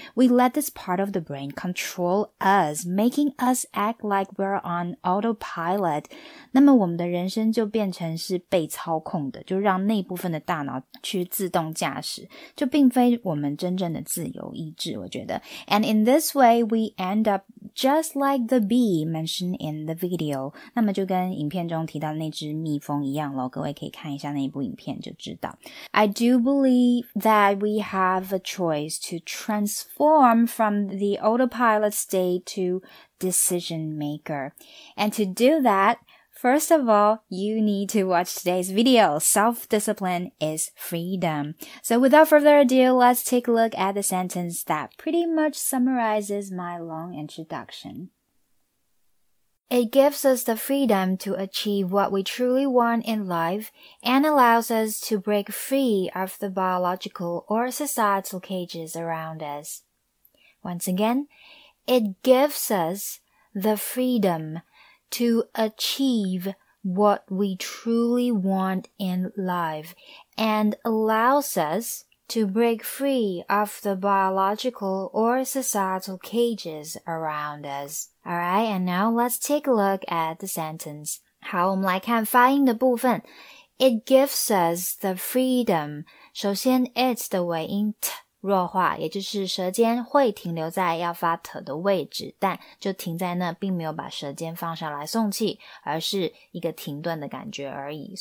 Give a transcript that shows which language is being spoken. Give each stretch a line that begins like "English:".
English: We let this part of the brain control us, making us act like we're on autopilot.
Chinese: 那么我们的人生就变成是被操控的，就让那部分的大脑去自动驾驶，就并非我们真正的自由意志，我觉得。
English: And in this way, we end up just like the bee mentioned in the video.
Chinese: 那么就跟影片中提到的那只蜜蜂一样咯，各位可以看一下那一部影片就知道。
English: I do believe that we have a choice to transform from the autopilot state to decision maker. And to do that,First of all, you need to watch today's video. Self-discipline is freedom. So without further ado, let's take a look at the sentence that pretty much summarizes my long introduction. It gives us the freedom to achieve what we truly want in life and allows us to break free of the biological or societal cages around us. Once again, it gives us the freedomTo achieve what we truly want in life and allows us to break free of the biological or societal cages around us. Alright, and now let's take a look at the sentence.
Chinese: 好，我们来看发音的部分。
English: It gives us the freedom.
Chinese: 首先 it's 的尾音 t 弱化，也就是舌尖会停留在要发 t 的位置，但就停在那，并没有把舌尖放上来送气，而是一个停顿的感觉而已。